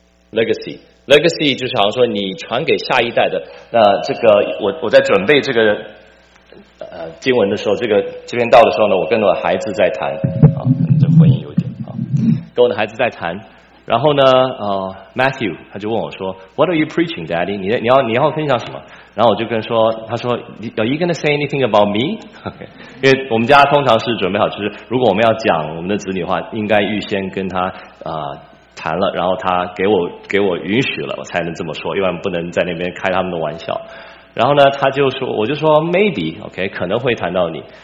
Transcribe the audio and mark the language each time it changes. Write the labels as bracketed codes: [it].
[zh] legacy legacy 就是好像说你传给下一代的。那这个 我在准备这个经文的时候，这个这篇道的时候呢，我跟我的孩子在谈，啊，可能这婚姻有点，啊，跟我的孩子在谈，然后呢，Matthew 他就问我说 ， [en] What are you preaching, Daddy？ [zh] 你要分享什么？然后我就跟说，他说 ， [en] Are you going to say anything about me？ [zh] Okay， 因为我们家通常是准备好，就是如果我们要讲我们的子女的话，应该预先跟他谈了，然后他给我允许了，我才能这么说，要不然不能在那边开他们的玩笑。然后呢，他就说，我就说 maybe， OK， 可能会谈到你。